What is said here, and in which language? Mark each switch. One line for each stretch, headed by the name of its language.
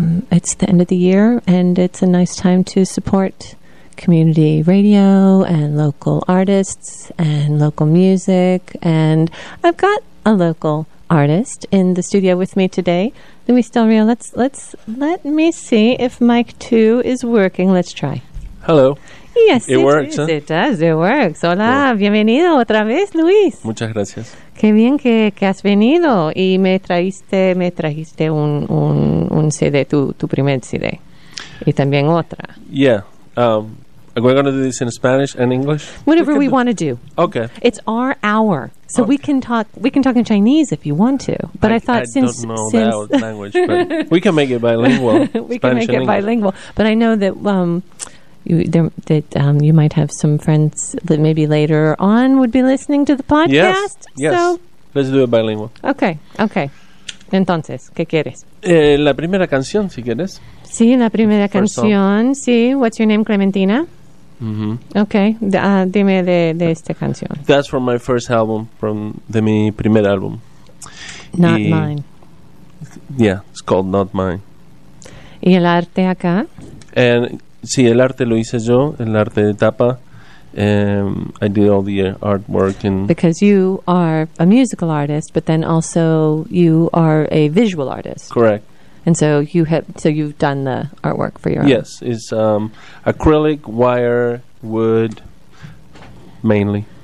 English: It's the end of the year, and it's a nice time to support community radio and local artists and local music. And I've got a local artist in the studio with me today, Luis Del Rio. Let me see if mic two is working. Let's try. Hello. Yes, it works. Is, huh? It does. It works. Hola, yeah.
Spanish: Bienvenido otra vez, Luis. Muchas gracias. Qué bien que has venido y me trajiste un CD, tu primer CD, y también otra.
English: Yeah. Are we going to do this in Spanish and English? Whatever we want to do. Okay. It's our hour, so okay. We can talk in Chinese if you want to. But I thought I since... I don't know since that language, but we can make it bilingual. bilingual. But I know that... you might have some friends that maybe later on would be listening to the podcast. Yes, yes. So let's do it bilingual.
Spanish: Okay. Entonces, ¿qué quieres? La primera canción, si quieres. Sí, la primera canción. Sí,
English: what's your name,
Spanish: Clementina? Mm-hmm. Okay, dime de esta canción.
English: That's from my first album,
Spanish: de mi primer álbum.
English: Not Mine. Yeah, it's called Not Mine.
Spanish: ¿Y el arte acá? Sí, el arte lo hice yo, el arte de tapa.
English: I did all the artwork. And because you are a musical artist, but then also you are a visual artist. Correct. And so you've done the artwork for your Yes, own. It's acrylic, wire, wood, mainly.